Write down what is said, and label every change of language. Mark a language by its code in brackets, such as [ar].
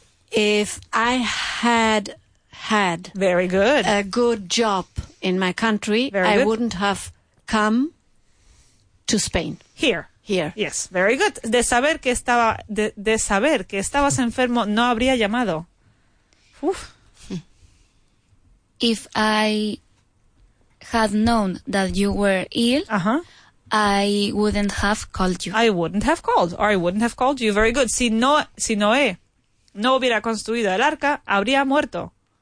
[en] If I had had very good a good job in my country, very I good. Wouldn't have come to Spain. Here. Yes. Very good. [es] De saber que estabas enfermo, no habría llamado. Uf. [en] If I had known that you were ill, I wouldn't have called you. I wouldn't have called you. Very good. [es] Si Noé no hubiera construido el arca, habría muerto.